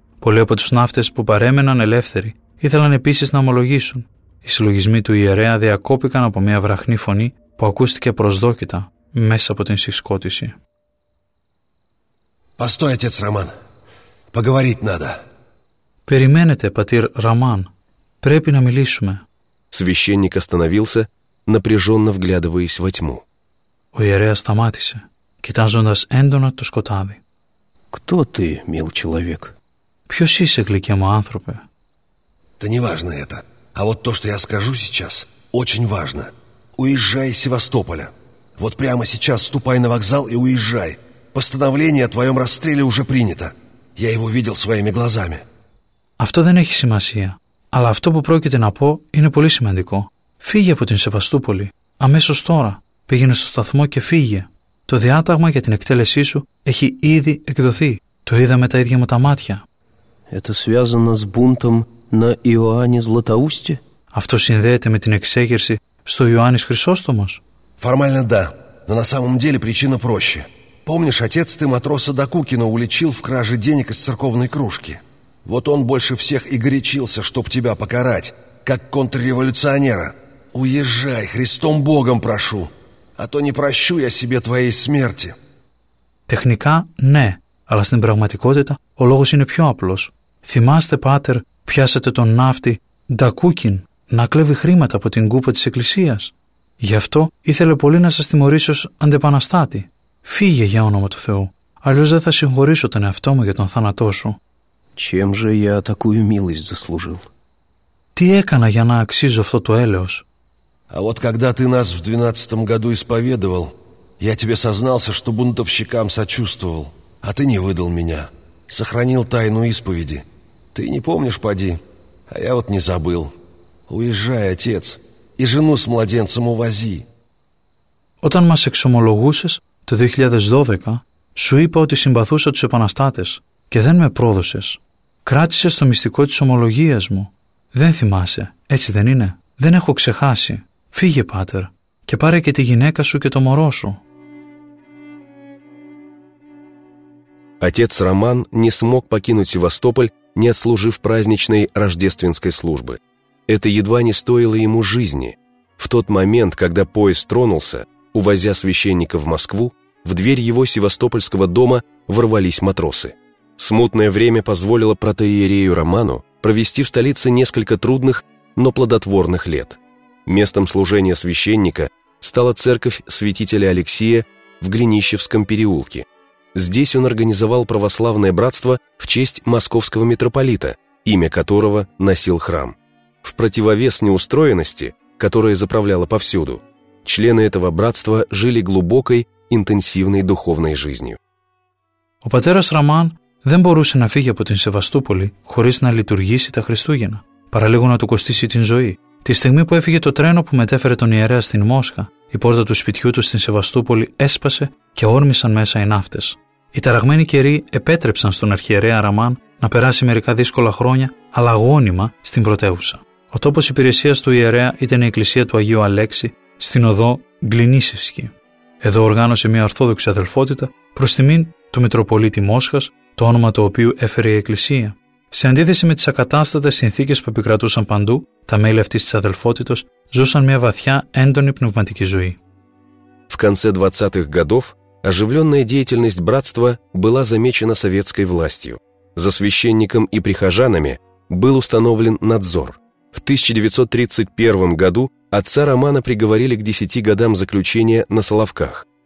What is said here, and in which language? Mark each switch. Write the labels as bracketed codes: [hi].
[el] Πολλοί από τους ναύτες που παρέμεναν ελεύθεροι ήθελαν επίσης να ομολογήσουν. Οι συλλογισμοί του ιερέα διακόπηκαν από μια βραχνή φωνή που ακούστηκε προσδόκητα μέσα από την συσκότηση. [ru] Постой, отец Роман. Поговорить надо. [el] Περιμένετε, πατήρ Роман. Πρέπει να μιλήσουμε. [ru] Священник остановился, напряженно вглядываясь во тьму. [el] Ο ιερέας σταμάτησε, κοιτάζοντας έντονα το σκοτάδι. [ru] Кто ты, мил человек? [el] Ποιος είσαι, γλυκέ μου άνθρωπε? [ru] Да не важно это. А вот то, что я скажу сейчас, очень важно. Уезжай из Севастополя. Вот прямо сейчас ступай на вокзал и уезжай. Постановление о твоем расстреле уже принято. Я его видел своими глазами. [el] Αυτό δεν έχει σημασία. Αλλά αυτό που πρόκειται να πω είναι πολύ σημαντικό. Φύγε από την Σεβαστούπολη. Αμέσως τώρα. Πήγαινε στο σταθμό και φύγε. Το διάταγμα για την εκτέλεσή σου έχει ήδη εκδοθεί. Το είδα με τα ίδια μου τα μάτια. [ru] Это связано с бунтом на Иоанне Златоусте? [el] Αυτό συνδέεται με την εξέγερση στο Ιωάννης Χρυσόστομος. [ru] Формально да, но на самом деле причина проще. Помнишь, отец ты матроса Докукина уличил в краже денег из церковной кружки? Вот он больше всех и горячился, чтоб тебя покарать, как контрреволюционера. Уезжай, Христом Богом прошу, а то не прощу я себе твоей смерти. Техника – не, [el] αλλά στην πραγματικότητα ο λόγος είναι πιο απλός. Θυμάστε, πάτερ, πιάσατε τον ναύτη Ντακούκιν να κλέβει χρήματα από την κούπα της εκκλησίας. Γι' αυτό ήθελε πολύ να σας τιμωρήσει ως αντεπαναστάτη. Φύγε για όνομα του Θεού. Αλλιώς δεν θα συγχωρήσω τον εαυτό μου για τον θάνατό σου. [ru] Чем же я такую милость заслужил? [el] Τι έκανα για να αξίζω αυτό το έλεος? [ru] А вот когда ты нас в 12-м году исповедовал, я тебе сознался, что бунтовщикам сочувствовал, а ты не выдал меня, сохранил тайну исповеди. Ты не помнишь, поди, а я вот не забыл. Уезжай, отец, и жену с младенцем увози. [el] Όταν μας εξομολογούσες το 2012, σου είπα ότι συμπαθούσα τους επαναστάτες και δεν με πρόδωσες. Κράτησες το μυστικό της ομολογίας μου. Δεν θυμάσαι, έτσι δεν είναι? Δεν έχω ξεχάσει. Φύγε, πάτερ, και πάρε και τη γυναίκα σου και το μωρό σου. [ru] Отец Роман не смог покинуть Севастополь, не отслужив праздничной рождественской службы. Это едва не стоило ему жизни. В тот момент, когда поезд тронулся, увозя священника в Москву, в дверь его севастопольского дома ворвались матросы. Смутное время позволило протоиерею Роману провести в столице несколько трудных, но плодотворных лет. Местом служения священника стала церковь святителя Алексия в Глинищевском переулке. Здесь он организовал православное братство в честь московского митрополита, имя которого носил храм. В противовес неустроенности, которая заправляла повсюду, члены этого братства жили глубокой, интенсивной духовной жизнью. [el] Ο πατέρας Роман δεν μπορούσε να φύγει από την Σεβαστούπολη χωρίς να λειτουργήσει τα Χριστούγεννα, παραλίγο να του κοστίσει την ζωή. Τη στιγμή που έφυγε το τρένο που μετέφερε τον ιερέα στην Μόσχα, η πόρτα του σπιτιού του στην Σεβαστούπολη έσπασε και όρμησαν μέσα οι ναύτες. Οι ταραγμένοι καιροί επέτρεψαν στον αρχιερέα Ραμάν να περάσει μερικά δύσκολα χρόνια, αλλά γόνιμα στην πρωτεύουσα. Ο τόπος υπηρεσίας του ιερέα ήταν η εκκλησία του Αγίου Αλέξη στην οδό Γκλινίσευσκη. Εδώ οργάνωσε μια ορθόδοξη αδελφότητα προς τιμήν του Μητροπολίτη Μόσχας, το όνομα του οποίου έφερε η εκκλησία. Σε αντίθεση με τις ακατάστατες συνθήκες που επικρατούσαν παντού, τα μέλη αυτής της αδελφότητος ζούσαν μια βαθιά, έντονη πνευματική ζωή. [ru] В конце 20-х годов оживленная деятельность братства была замечена советской властью. За священником и прихожанами был установлен надзор. В 1931 году отца Романа приговорили к 10 годам заключения на Соловках.